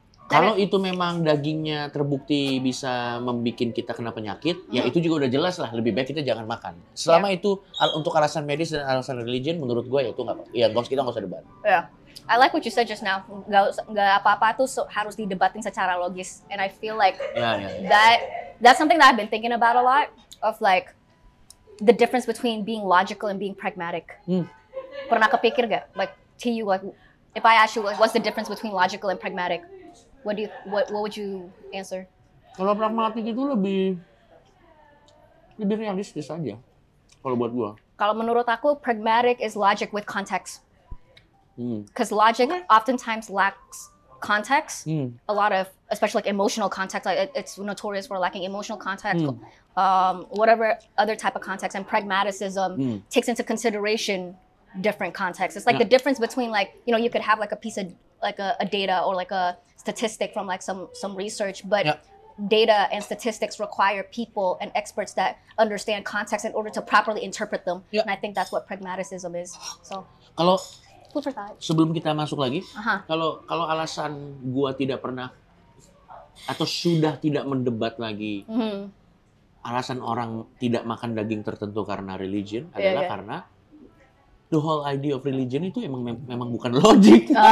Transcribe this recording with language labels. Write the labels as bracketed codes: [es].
[id] Kalau itu memang dagingnya terbukti bisa membuat kita kena penyakit, ya itu juga udah jelas lah. Lebih baik kita jangan makan. Selama itu untuk alasan medis dan alasan religion, menurut gue ya itu nggak. Ya kita nggak usah debat. [en] Ya, yeah. I like what you said just now. [id] Gak apa-apa tuh harus didebatin secara logis. [en] And I feel like that's something that I've been thinking about a lot of like the difference between being logical and being pragmatic. [id] Pernah kepikir gak? [en] Like to you, like if I ask you, like, what's the difference between logical and pragmatic? What would you answer? [id] Kalau pragmatik itu lebih realistis aja kalau buat gua. Kalau menurut aku, [en] pragmatic is logic with context. Because logic oftentimes lacks context. A lot of, especially like emotional context, like it's notorious for lacking emotional context. Whatever other type of context, and pragmaticism takes into consideration different contexts. It's like the difference between like, you know, you could have like a piece of like a data or like a statistic from like some research, but data and statistics require people and experts that understand context in order to properly interpret them. Yeah. And I think that's what pragmaticism is. So, [id] kalau [en] food for thought. [id] Sebelum kita masuk lagi, kalau alasan gua tidak pernah atau sudah tidak mendebat lagi alasan orang tidak makan daging tertentu karena religion adalah karena [en] the whole idea of religion [id] itu emang memang bukan logic.